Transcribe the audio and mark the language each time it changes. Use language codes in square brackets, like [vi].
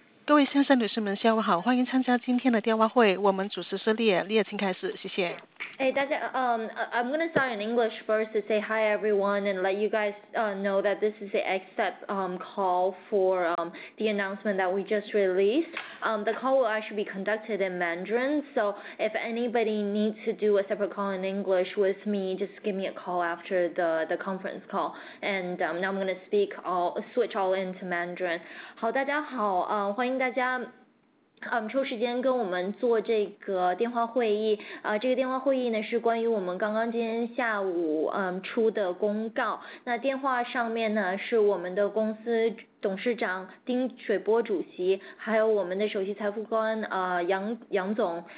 [zh] 各位先生、女士们，下午好，欢迎参加今天的电话会。我们主持是列，请开始，谢谢。 [en] Hey, [zh] 大家, [en] I'm going to start in English first to say hi, everyone, and let you guys know that this is the exit call for the announcement that we just released. The call will actually be conducted in Mandarin, so if anybody needs to do a separate call in English with me, just give me a call after the conference call. And now I'm going to speak all, switch all into Mandarin. [zh] 好，大家好，欢迎大家。抽时间跟我们做这个电话会议，这个电话会议呢是关于我们刚刚今天下午出的公告。那电话上面呢是我们的公司董事长丁水波主席，还有我们的首席财富官杨总。